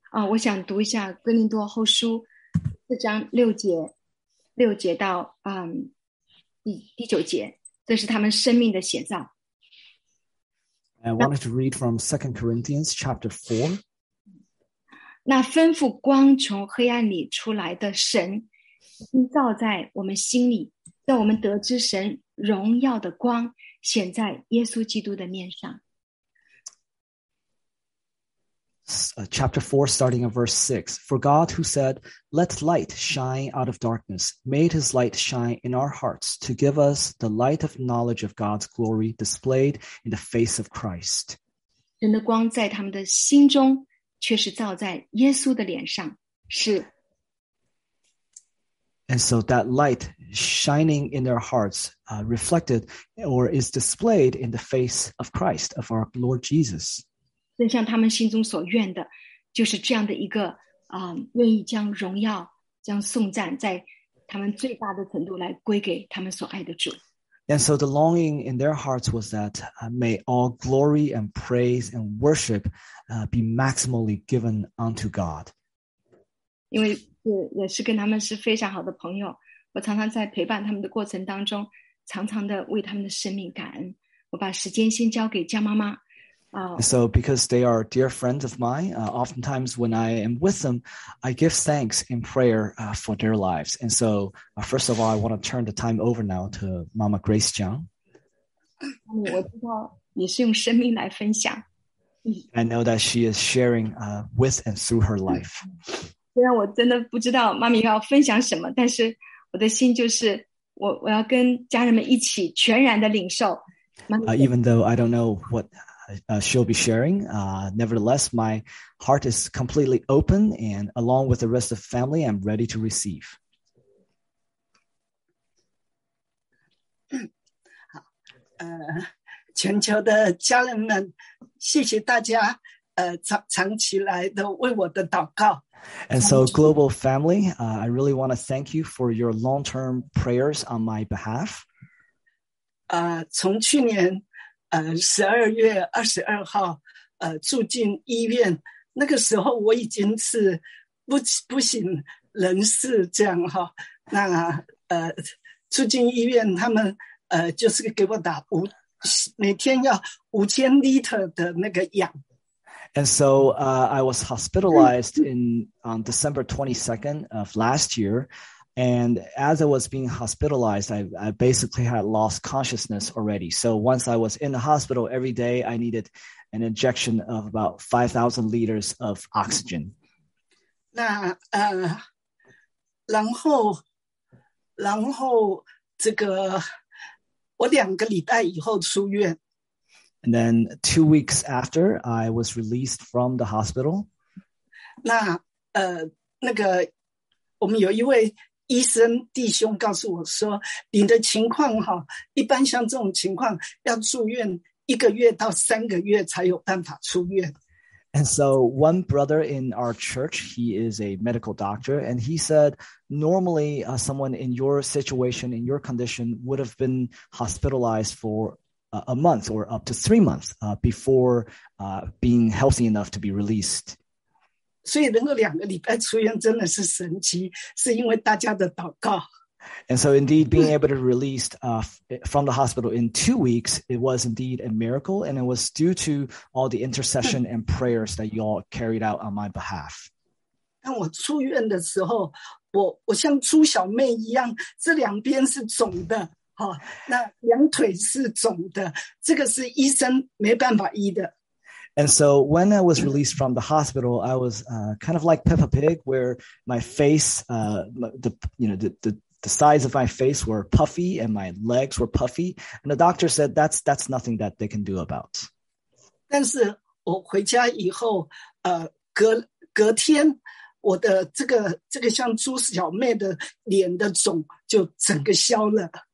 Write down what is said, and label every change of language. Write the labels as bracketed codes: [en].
[zh] 我想读一下哥林多后书四章六节。六节到第九节，这是他们生命的写照。 [en] I wanted to read from 2 Corinthians chapter 4. [zh] 那吩咐光从黑暗里出来的神，已经照在我们心里，让我们得知神荣耀的光显在耶稣基督的面上。 [en] Chapter 4, starting at verse 6. For God, who said, "Let light shine out of darkness," made his light shine in our hearts to give us the light of knowledge of God's glory displayed in the face of Christ. [zh] 神的光在他们的心中，却是照在耶稣的脸上，是。 [en] And so that light shining in their hearts, reflected or is displayed in the face of Christ, of our Lord Jesus. [zh] 正像他们心中所愿的，就是这样的一个愿意将荣耀、将颂赞，在他们最大的程度来归给他们所爱的主。 [en] And so the longing in their hearts was that may all glory and praise and worship be maximally given unto God. [zh] 因为也是跟他们是非常好的朋友，我常常在陪伴他们的过程当中，常常的为他们的生命感恩。我把时间先交给江妈妈。 [en] So because they are dear friends of mine, oftentimes when I am with them, I give thanks in prayer for their lives. And so, first of all, I want to turn the time over now to Mama Grace Jiang. I know that she is sharing with and through her life. [zh] 虽然我真的不知道妈咪要分享什么，但是我的心就是我要跟家人们一起全然的领受。 [en] Even though I don't know what she'll be sharing, nevertheless, my heart is completely open, and along with the rest of the family, I'm ready to receive. [zh] 全球的家人们，谢谢大家长期来的为我的祷告。 [en] And so, global family, I really want to thank you for your long-term prayers on my behalf. [zh] 从去年12月22号住进医院，那个时候我已经是不省人事这样哈。那住进医院，他们就是给我打每天要5000 liters 的那个氧。 [en] And so I was hospitalized on December 22nd of last year. And as I was being hospitalized, I basically had lost consciousness already. So once I was in the hospital every day, I needed an injection of about 5,000 liters of oxygen. [zh] 那然后这个我2个礼拜以后出院。 [en] And then 2 weeks after, I was released from the hospital. [zh] 那个我们有一位医生弟兄告诉我说，你的情况哈，一般像这种情况要住院1个月到3个月才有办法出院。 [en] And so one brother in our church, he is a medical doctor, and he said, normally someone in your situation, in your condition, would have been hospitalized for a month or up to 3 months before being healthy enough to be released. [zh] 所以能够2个礼拜出院真的是神奇，是因为大家的祷告。 [en] And so indeed, being able to be released from the hospital in 2 weeks, it was indeed a miracle, and it was due to all the intercession and prayers that you all carried out on my behalf. [zh] 当我出院的时候，我像猪小妹一样，这两边是肿的，那两腿是肿的，这个是医生没办法医的。 [en] And so when I was released from the hospital, I was kind of like Peppa Pig, where my face, the sides of my face were puffy and my legs were puffy. And the doctor said that's nothing that they can do about. [zh] 但是我回家以后，隔天，我的这个像猪小妹的脸的肿就整个消了。